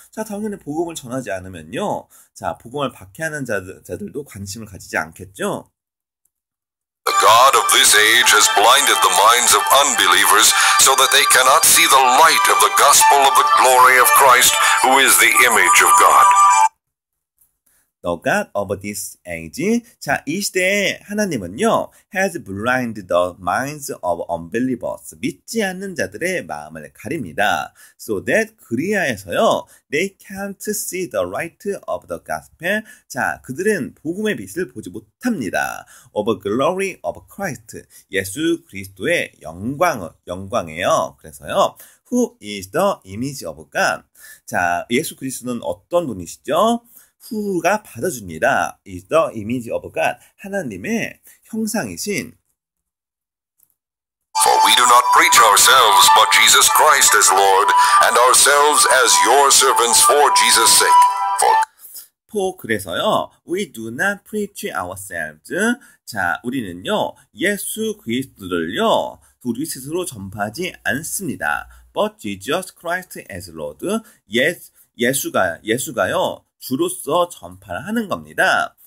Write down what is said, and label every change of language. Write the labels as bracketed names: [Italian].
[Korean] 자, 당연히 복음을 전하지 않으면요, 자, 복음을 박해하는 자들도 관심을 가지지 않겠죠. [English] The God of this age has blinded the minds of unbelievers so that they cannot see the light of the gospel of the glory of Christ, who is the image of God. The God of this age, [Korean] 자, 이 시대에 하나님은요, [English] has blinded the minds of unbelievers, [Korean] 믿지 않는 자들의 마음을 가립니다. [English] So that [Korean] 그리하여서요, [English] they can't see the light of the gospel, [Korean] 자, 그들은 복음의 빛을 보지 못합니다. [English] Of glory of Christ, [Korean] 예수 그리스도의 영광이에요. 그래서요, [English] who is the image of God? [Korean] 자, 예수 그리스도는 어떤 분이시죠? [English] Who가 [Korean] 받아줍니다. [English] Is the image of God. [Korean] 하나님의 형상이신. [English] For we do not preach ourselves, but Jesus Christ as Lord, and ourselves as your servants for Jesus' sake. For [Korean] 그래서요, [English] we do not preach ourselves. [Korean] 자, 우리는요, 예수 그리스도를요, 우리 스스로 전파하지 않습니다. [English] But Jesus Christ as Lord. [Korean] 예수가요, 주로서 전파를 하는 겁니다.